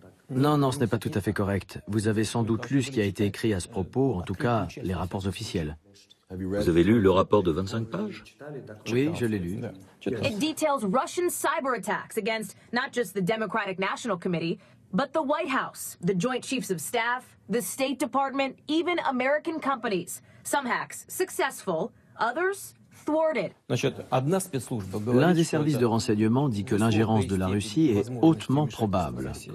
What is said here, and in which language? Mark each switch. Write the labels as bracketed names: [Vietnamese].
[French] Non, non, ce n'est pas tout à fait correct. Vous avez sans doute lu ce qui a été écrit à ce propos, en tout cas les rapports officiels. Vous avez lu le rapport de 25 pages? Oui, je l'ai lu. [English] It details Russian cyber attacks against not just the Democratic National Committee, but the White House, the Joint Chiefs of Staff, the State Department, even American companies. Some hacks successful, others thwarted. [French] L'un des services de renseignement dit que l'ingérence de la Russie est hautement probable.